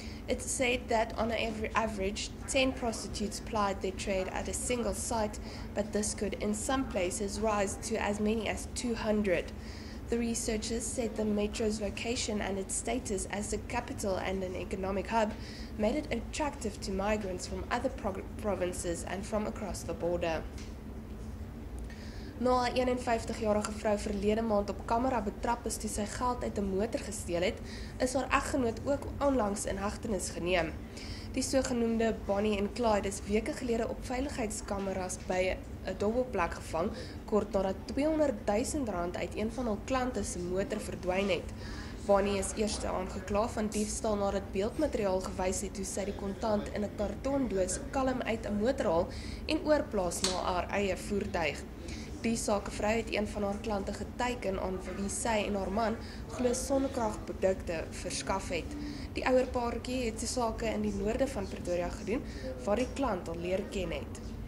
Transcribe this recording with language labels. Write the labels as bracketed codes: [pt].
[en] It said that on average, 10 prostitutes plied their trade at a single site, but this could in some places rise to as many as 200. The researchers said the metro's location and its status as a capital and an economic hub made it attractive to migrants from other provinces and from across the border. [af] Na 'n 51-jarige vrou verlede maand op kamera betrap is toe sy geld uit 'n motor gesteel het, is haar eggenoot ook onlangs in hegtenis geneem. Die sogenoemde Bonnie and Clyde is weke gelede op veiligheidskameras by 'n dobbelplek gevang, kort nadat R200 000 uit een van hul klante se motor verdwyn het. Bonnie is eers aangekla van diefstal nadat beeldmateriaal gewys het hoe sy die kontant in 'n kartondoos kalm uit 'n motor haal en oorplaas na haar eie voertuig. Die sakevrou het een van haar klante geteken aan wie sy en haar man glo sonnekragprodukte verskaf het. Die ouer paartjie het sy sake in die noorde van Pretoria gedoen waar die klant al leer ken het.